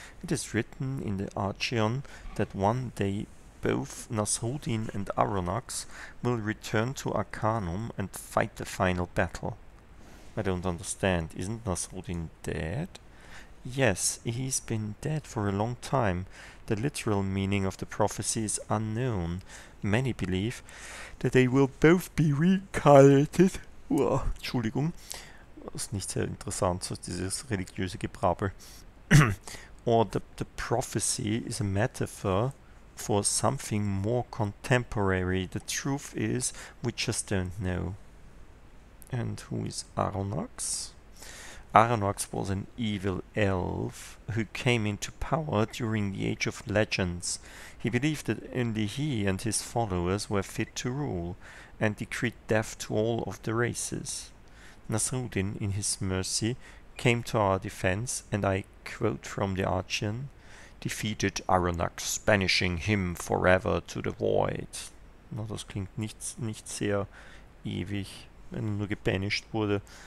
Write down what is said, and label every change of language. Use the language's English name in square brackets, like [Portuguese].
[English] It is written in the Archeon that one day both Nasruddin and Aronnax will return to Arcanum and fight the final battle. I don't understand. Isn't Nasruddin dead? Yes, he's been dead for a long time. The literal meaning of the prophecy is unknown. Many believe that they will both be reincarnated. [German] Entschuldigung. Das ist nicht sehr interessant, so dieses religiöse Gebrabbel. [English] Or the prophecy is a metaphor for something more contemporary. The truth is, we just don't know. And who is Arronax? Arronax was an evil elf who came into power during the Age of Legends. He believed that only he and his followers were fit to rule, and decreed death to all of the races. Nasruddin, in his mercy, came to our defense, and I quote from the Archean, defeated Arronax, banishing him forever to the void. [German] No, das klingt nicht sehr ewig, wenn er nur gebanished wurde.